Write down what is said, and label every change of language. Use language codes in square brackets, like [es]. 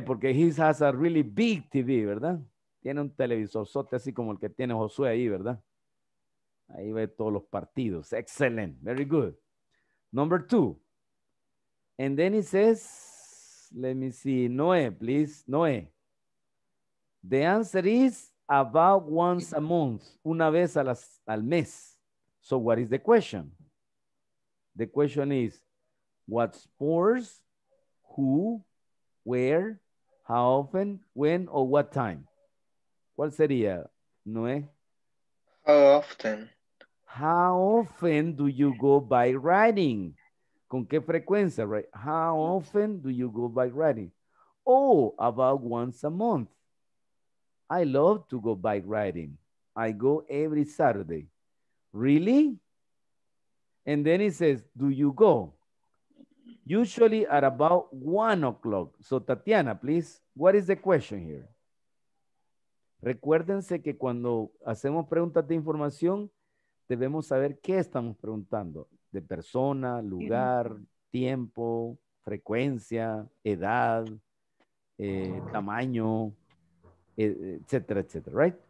[es] Porque [en] he has a really big TV, [es] ¿verdad? Tiene un televisorzote así como el que tiene Josué ahí, ¿verdad? Ahí ve todos los partidos. [en] Excellent. Very good. Number two. And then he says, let me see, Noé, please, Noé. The answer is about once a month, [es] una vez a las, al mes. [en] So what is the question? The question is, what sports, who, where, how often, when, or what time? [es] ¿Cuál sería, Noé? [en] How often. How often do you go by riding? [es] ¿Con qué frecuencia, [en] right? How often do you go by riding? Oh, about once a month. I love to go bike riding. I go every Saturday. Really? And then he says, do you go? Usually at about 1 o'clock. So Tatiana, please, what is the question here? [es] Recuérdense que cuando hacemos preguntas de información, debemos saber qué estamos preguntando. De persona, lugar, tiempo, frecuencia, edad, tamaño, etcétera, etcétera, right?